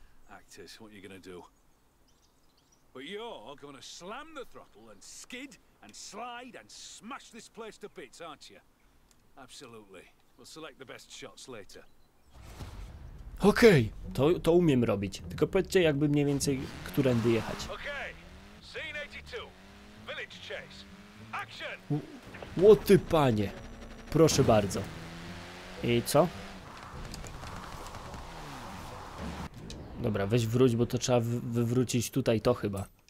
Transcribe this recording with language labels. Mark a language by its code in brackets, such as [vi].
[en] Actors, what are you gonna do? But you're gonna slam the throttle and skid and slide and smash this place to bits, aren't you? Absolutely. We'll select the best shots later. [pl] Okej, to umiem robić. Tylko powiedzcie, jakby mniej więcej którędy jechać. [en] Okej, scene 82, village chase. Action! [pl] Łoty panie, proszę bardzo. I co? Dobra, weź wróć, bo to trzeba wywrócić tutaj to chyba.